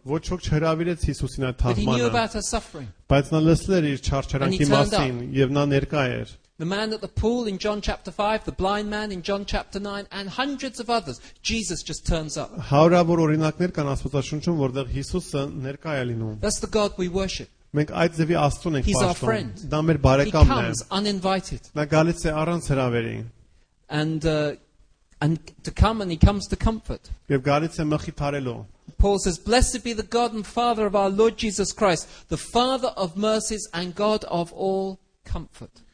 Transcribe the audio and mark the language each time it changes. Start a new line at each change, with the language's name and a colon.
Armenian: Ոչ ոք չհրավիրեց Հիսուսին այդ թաղմանը.
English: But he knew about her suffering.
Armenian: Բայց նա լսեր իր չարչարանքի մասին և նա ներկա էր.
English: The man at the pool in John chapter 5, the blind man in John chapter 9, and hundreds of others, Jesus just turns up.
Armenian: Հարյուրավոր օրինակներ կան Աստվածաշունչում, որտեղ Հիսուսը ներկա է լինում.
English: That's the God we worship.
Armenian: Մենք այդ ձևի Աստուն ենք պաշտում.
English: He's our friend.
Armenian: Դա մեր բարեկամն է.
English: He comes uninvited.
Armenian: Նա գալիս է առանց հրավերի.
English: And to come, and he comes to comfort. Paul says, "Blessed be the God and Father of our Lord Jesus Christ, the Father of mercies and God of all comfort."